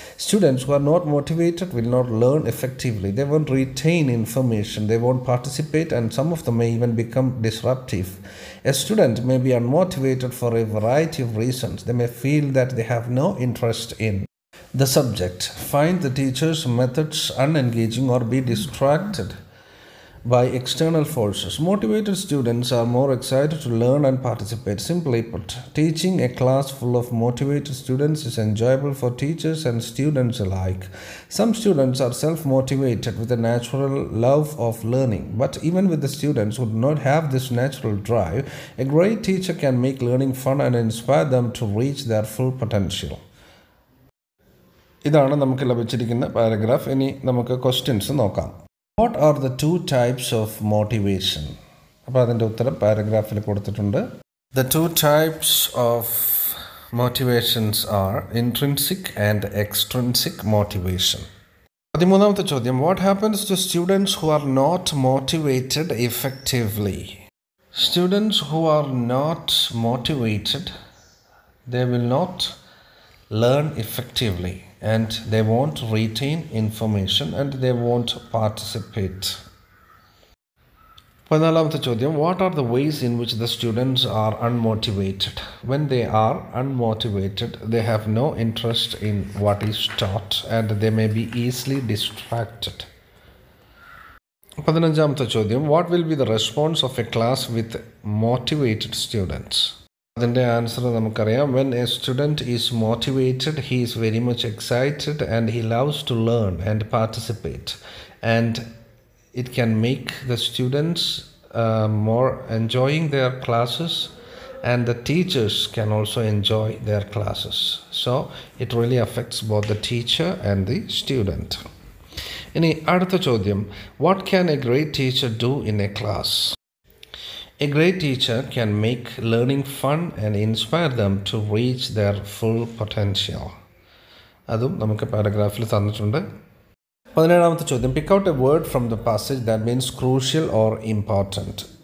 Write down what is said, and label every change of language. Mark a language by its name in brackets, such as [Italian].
[English] Students who are not motivated will not learn effectively. They won't retain information, they won't participate, and some of the may even become disruptive. A student may be unmotivated for a variety of reasons. They may feel that they have no interest in the subject. Find the teacher's methods unengaging or be distracted by external forces. Motivated students are more excited to learn and participate. Simply put, teaching a class full of motivated students is enjoyable for teachers and students alike. Some students are self-motivated with a natural love of learning, but even with the students who do not have this natural drive, a great teacher can make learning fun and inspire them to reach their full potential. [Malayalam] ഇതാണ് നമുക്ക് ലഭിച്ചിരിക്കുന്ന paragraph. ഇനി നമുക്ക് questions നോക്കാം. [English] What are the two types of motivation? [Malayalam] അപ്പോൾ അതിൻ്റെ ഉത്തരം പാരഗ്രാഫിൽ കൊടുത്തിട്ടുണ്ട്. [English] The two types of motivations are intrinsic and extrinsic motivation. [Malayalam] 13-ാമത്തെ ചോദ്യം, [English] What happens to students who are not motivated effectively? Students who are not motivated, they will not learn effectively. And they won't retain information and they won't participate. [Malayalam] 14-ാമത്തെ ചോദ്യം, [English] what are the ways in which the students are unmotivated? When they are unmotivated, they have no interest in what is taught and they may be easily distracted. [Malayalam] 15-ാമത്തെ ചോദ്യം, [English] what will be the response of a class with motivated students? [Malayalam] അതിൻ്റെ answer നമുക്കറിയാം. [English] When a student is motivated, he is very much excited and he loves to learn and participate and it can make the students more enjoying their classes and the teachers can also enjoy their classes. So it really affects both the teacher and the student. [Malayalam] ഇനി അടുത്ത ചോദ്യം, [English] What can a great teacher do in a class? A great teacher can make learning fun and inspire them to reach their full potential. [Malayalam] Adum namukku paragraphil thannittunde. 17-aamatha chodyam, [English] pick out a word from the passage that means crucial or important.